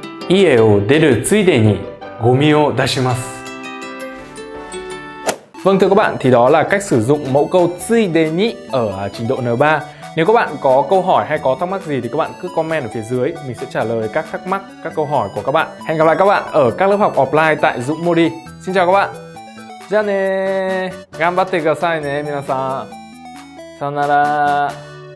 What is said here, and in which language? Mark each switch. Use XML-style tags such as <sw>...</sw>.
<ja>家を出るついでにゴミを出します。</ja> <vi>Vâng, thưa các bạn, thì đó là cách sử dụng mẫu câu ついでに ở trình độ N3. Nếu các bạn có câu hỏi hay có thắc mắc gì thì các bạn cứ comment ở phía dưới, mình sẽ trả lời các thắc mắc, các câu hỏi của các bạn. Hẹn gặp lại các bạn ở các lớp học offline tại Dũng Modi. Xin chào các bạn.</vi> <ja>じゃあね、頑張ってくださいね、皆さん。さよなら。</ja>